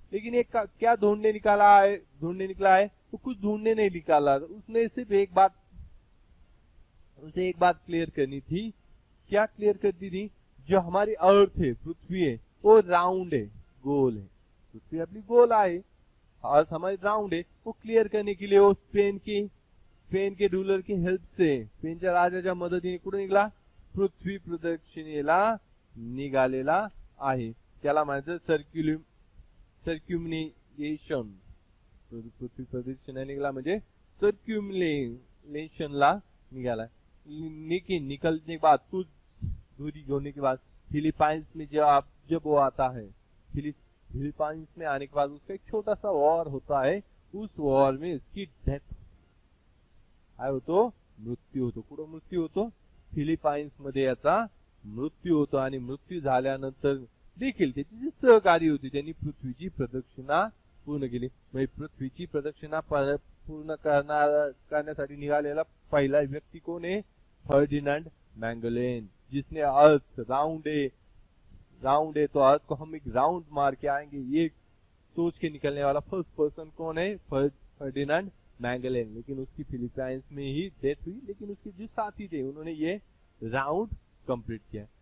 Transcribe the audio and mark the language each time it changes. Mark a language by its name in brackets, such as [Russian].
[Hindi] लेकिन एक क्या ढूंढने निकाला है? वो कुछ ढूंढने नहीं निकाला, उसने सिर्फ एक बात, उसे एक बात क्लियर करनी थी। क्या क्लियर करती थी? जो हमारी अर्थ है, पृथ्वी है, वो राउंड है, गोल है। पृथ्वी अपनी गोल आए, अर्थ हमारी राउंड है। वो क्लियर करने के लिए वो स्पेन के रूलर की हेल्प से, [Marathi] स्पेनच्या राजाच्या मदतीने कुठे निघाला? पृथ्वी प्रदक्षिणेला निघालेला आहे। त्याला म्हणायचं सर्क्युमिनेशन। पृथ्वी प्रदक्षिणेला निघाला म्हणजे सर्क्युमिनेशनला निघाला। [Hindi] निकलने के बाद, कुछ दूरी होने के बाद फिलिपाइंस में जब वो आता है, फिलिपाइंस में आने के बाद उसका एक छोटा सा वॉर होता है। उस वॉर में उसकी डेथ आए हो तो मृत्यु हो तो कुछ मृत्यु हो तो [Marathi] फिलिपाइंस मध्ये याचा मृत्यु होतो। आणि मृत्यु झाल्यानंतर देखील त्याची जी सहकारी होती त्यांनी पृथ्वीची प्रदक्षिणा पूर्ण केली। म्हणजे पृथ्वीची प्रदक्षिणा पूर्ण करण्यासाठी निघालेला पहिला व्यक्ती कोण आहे? फर्डिनांड [Hindi] मैंगलेन जिसने अर्थ राउंड ए राउंड ए, तो अर्थ को हम एक राउंड मार के आएंगे, ये सोच के निकलने वाला फर्स्ट पर्सन कौन है, फर्डिनेंड मैंगलेन। लेकिन उसकी फिलीपींस में ही डेथ हुई, लेकिन उसके जो साथी थे उन्होंने ये राउंड कंप्लीट किया।